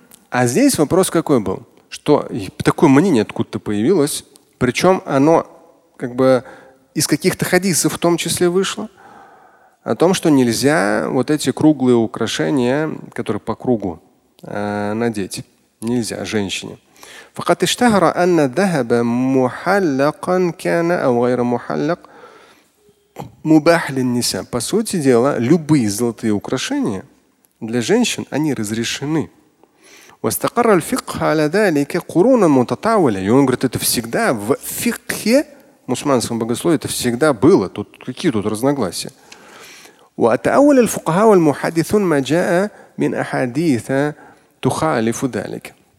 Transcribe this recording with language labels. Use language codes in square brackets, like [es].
[ru] А здесь вопрос какой был? Что такое мнение откуда-то появилось, причем оно как бы из каких-то хадисов в том числе вышло, о том, что нельзя вот эти круглые украшения, которые по кругу, надеть. Нельзя женщине. [ar] فقد اشتهر أن الذهب محلقا كان أو غير محلق مباح للنساء. [ru] По сути дела, любые золотые украшения для женщин они разрешены. [ar] واستقر الفقه على ذلك قرونا متطاولة. [ru] И он говорит, это всегда в фикхе, в мусульманском богословии, это всегда было. Тут какие тут разногласия? [ar] وتأول الفقهاء والمحدثون ما جاء من أحاديث تخالف ذلك.